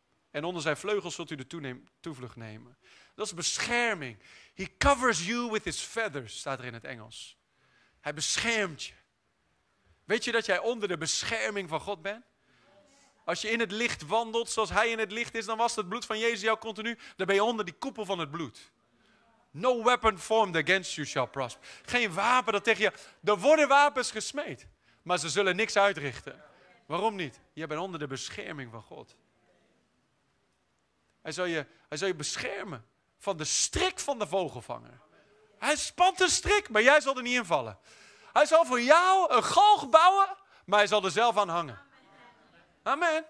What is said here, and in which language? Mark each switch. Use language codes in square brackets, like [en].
[nl] En onder zijn vleugels zult u de toevlucht nemen. Dat is bescherming. [en] He covers you with his feathers, [nl] staat er in het Engels. Hij beschermt je. Weet je dat jij onder de bescherming van God bent? Als je in het licht wandelt zoals hij in het licht is, dan was het bloed van Jezus jou continu. Dan ben je onder die koepel van het bloed. [en] No weapon formed against you shall prosper. [nl] Geen wapen dat tegen je... Er worden wapens gesmeed, maar ze zullen niks uitrichten. Waarom niet? Je bent onder de bescherming van God. Hij zal je beschermen van de strik van de vogelvanger. Hij spant een strik, maar jij zal er niet in vallen. Hij zal voor jou een galg bouwen, maar hij zal er zelf aan hangen. Amen.